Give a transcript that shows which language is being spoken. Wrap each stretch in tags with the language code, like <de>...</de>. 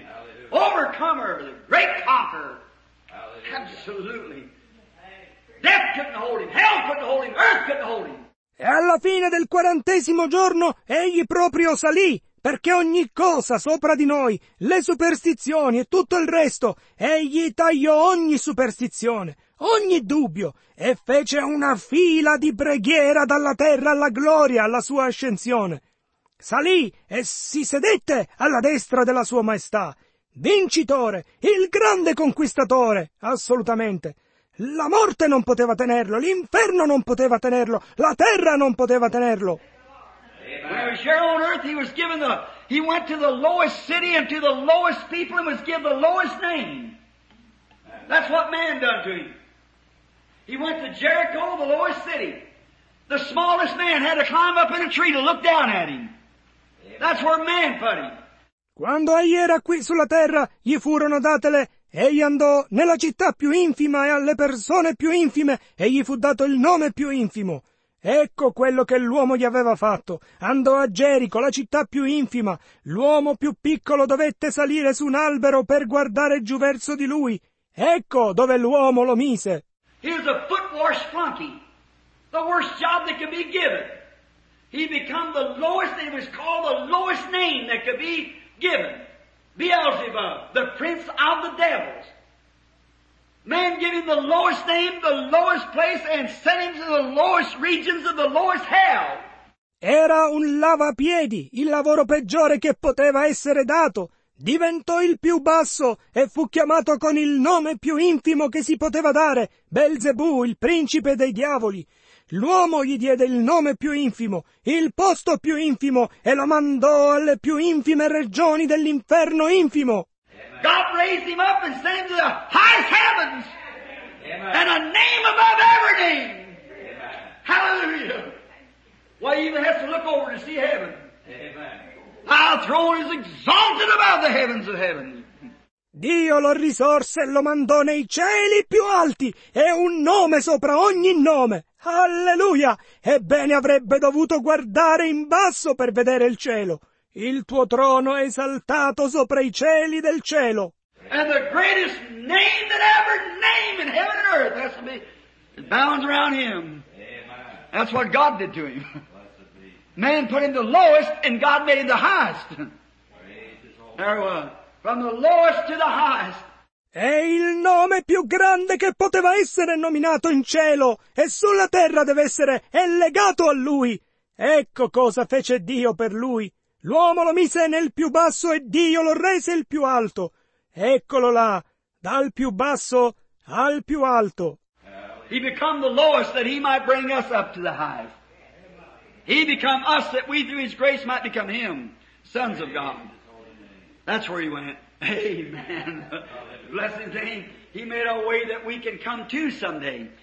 <en>Hallelujah. Overcomer, the great conqueror. Hallelujah. Absolutely. Death couldn't hold him, hell couldn't hold him, earth couldn't hold him.</en> <it>E alla fine del 40° giorno, egli proprio salì. Perché ogni cosa sopra di noi, le superstizioni e tutto il resto, egli tagliò ogni superstizione, ogni dubbio, e fece una fila di preghiera dalla terra alla gloria alla sua ascensione. Salì e si sedette alla destra della sua maestà. Vincitore, il grande conquistatore, assolutamente. La morte non poteva tenerlo, l'inferno non poteva tenerlo, la terra non poteva tenerlo.</it> <en>When he was here on earth, he was given the, he went to the lowest city and to the lowest people and was given the lowest name. That's what man done to him. He went to Jericho, the lowest city. The smallest man had to climb up in a tree to look down at him. That's where man put him.</en> <it>Quando egli era qui sulla terra, gli furono date le... Egli andò nella città più infima e alle persone più infime e gli fu dato il nome più infimo. Ecco quello che l'uomo gli aveva fatto. Andò a Gerico, la città più infima. L'uomo più piccolo dovette salire su un albero per guardare giù verso di lui. Ecco dove l'uomo lo mise.</it> <en>He was a foot wash flunky. The worst job that could be given. He became the lowest, he was called the lowest name that could be given. Beelzebub, the prince of the devils. Man gave him the lowest name, the lowest place, and sent him to the lowest regions of the lowest hell.</en> <it>Era un lavapiedi, il lavoro peggiore che poteva essere dato. Diventò il più basso e fu chiamato con il nome più infimo che si poteva dare, Belzebù, il principe dei diavoli. L'uomo gli diede il nome più infimo, il posto più infimo, e lo mandò alle più infime regioni dell'inferno infimo.</it> <en>God raised him up and sent him to the highest heavens. Amen. And a name above every name. Amen. Hallelujah. Why, he even has to look over to see heaven. Amen. Our throne is exalted above the heavens of heaven.</en> <it>Dio lo risorse e lo mandò nei cieli più alti e un nome sopra ogni nome. Alleluia! Ebbene avrebbe dovuto guardare in basso per vedere il cielo. Il tuo trono è esaltato sopra i cieli del cielo.</it> <en>And the greatest name that ever named in heaven and earth has to be bound around him. Amen. That's what God did to him. Man put him the lowest and God made him the highest. There it was. From the lowest to the highest.</en> <it>È il nome più grande che poteva essere nominato in cielo e sulla terra deve essere è legato a lui. Ecco cosa fece Dio per lui. L'uomo lo mise nel più basso e Dio lo rese il più alto. Eccolo là, dal più basso al più alto.</it> <en>He became the lowest that he might bring us up to the highest. He became us that we through his grace might become him, sons of God. That's where he went. Amen. Bless his name. He made a way that we can come to someday.</en>